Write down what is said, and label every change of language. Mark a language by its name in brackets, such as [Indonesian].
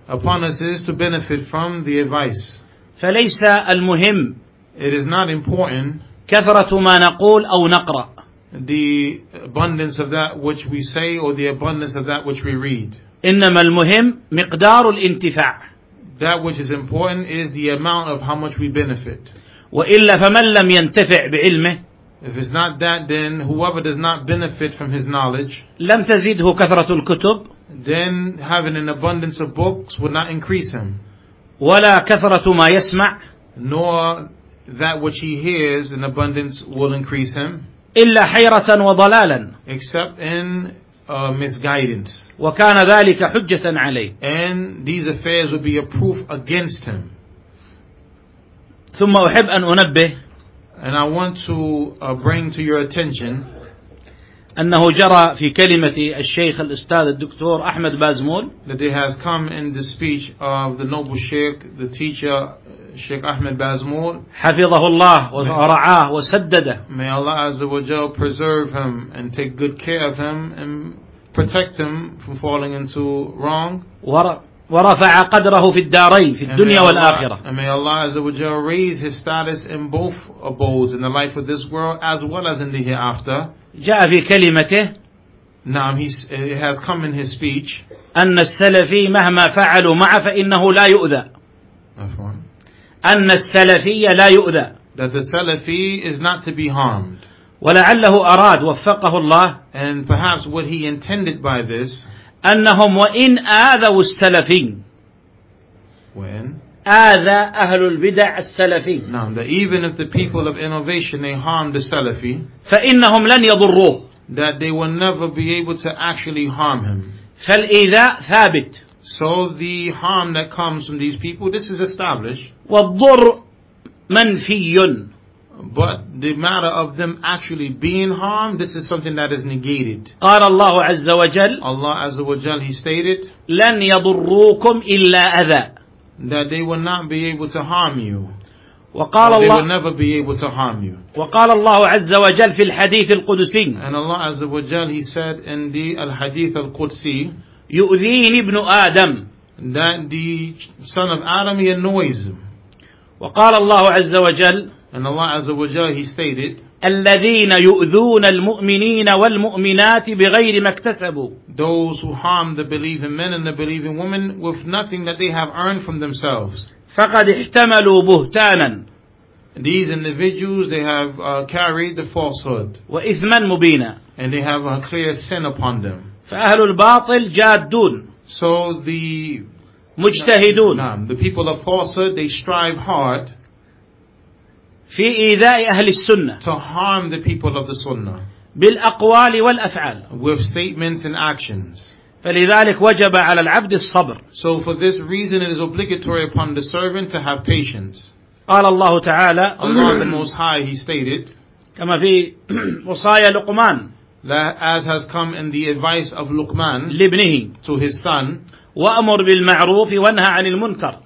[English] Upon us is to benefit from the advice. [Arabic] فليس المهم. [English] It is not important. [Arabic] كثرة ما نقول أو نقرأ. [English] The abundance of that which we say or the abundance of that which we read. [Arabic] إنما المهم مقدار الانتفاع. [English] That which is important is the amount of how much we benefit. [Arabic] وإلا فمن لم ينتفع بعلمه. [English] If it's not that, then whoever does not benefit from his knowledge, [Arabic] لم تزيده كثرة الكتب, [English] then having an abundance of books would not increase him. [Arabic] ولا كثرة ما يسمع, [English] nor that which he hears in abundance will increase him. [Arabic] إلا حيرة وضلالا, [English] except in misguidance. [Arabic] وكان ذلك حجة عليه. [English] And these affairs would be a proof against him. [Arabic] ثم أحب أن أنبه. [English] And I want to bring to your attention [Arabic] أنه جرى في كلمة الشيخ الأستاذ الدكتور أحمد بازمول [English] that it has come in the speech of the noble sheikh, the teacher, Sheikh Ahmed Bazmul [Arabic] حفظه الله ورعاه وسدده [English] May Allah Azza wa Jal preserve him and take good care of him and protect him from falling into wrong [Arabic] ورفع قدره في الدارين في الدنيا والآخرة. [English] And may Allah Azza wa Jal raise his status in both abodes in the life of this world as well as in the hereafter. [Arabic] جاء في كلمته. [English] نعم, it has come in his speech. [Arabic] أن السلفي مهما فعلوا معه فإنه لا يؤذى. أن السلفي لا يؤذى. [English] That the Salafi is not to be harmed. [Arabic] ولعله أراد وفقه الله. [English] And perhaps what he intended by this. [Arabic] أنهم وإن آذوا السلفين وإن آذى أهل البدع السلفين [English] نعم that even if the people of innovation they harm the Salafi [Arabic] فإنهم لن يضروه [English] that they will never be able to actually harm him [Arabic] فالإذاء ثابت [English] so the harm that comes from these people this is established [Arabic] والضر منفي [English] But the matter of them actually being harmed, this is something that is negated. [Arabic] قال الله عز وجل [English] Allah [Arabic] عز وجل, [English] He stated [Arabic] لن يضروكم إلا أذى [English] that they will not be able to harm you. [Arabic] وقال الله [English] they will never be able to harm you. [Arabic] وقال الله عز وجل في الحديث القدسي [English] And Allah [Arabic] عز وجل, [English] He said in the الحديث القدسي [Arabic] يؤذيني ابن آدم [English] that the son of Adam, he annoys him. [Arabic] وقال الله عز وجل [English] And Allah Azza wa Jal, He stated, [Arabic] الذين يؤذون المؤمنين والمؤمنات بغير ما اكتسبوا. [English] Those who harm the believing men and the believing women with nothing that they have earned from themselves. [Arabic] فقد احتملوا بهتانا. [English] These individuals, they have carried the falsehood. [Arabic] وإثما مبينا. [English] And they have a clear sin upon them. [Arabic] فأهل الباطل جادون. [English] So the [Arabic] مجتهدون. [English] The people of falsehood, they strive hard. [Arabic] في إيذاء أهل السنة. [English] To harm the people of the Sunnah. [Arabic] بالأقوال والأفعال. [English] With statements and actions. [Arabic] فلذلك وجب على العبد الصبر. [English] So for this reason it is obligatory upon the servant to have patience. [Arabic] قال الله تعالى. [English] Allah the Most High, He stated. [Arabic] كما في وصايا لقمان. [English] That as has come in the advice of Luqman. [Arabic] لابنه. [English] To his son. [Arabic] وأمر بالمعروف وانهى عن المنكر.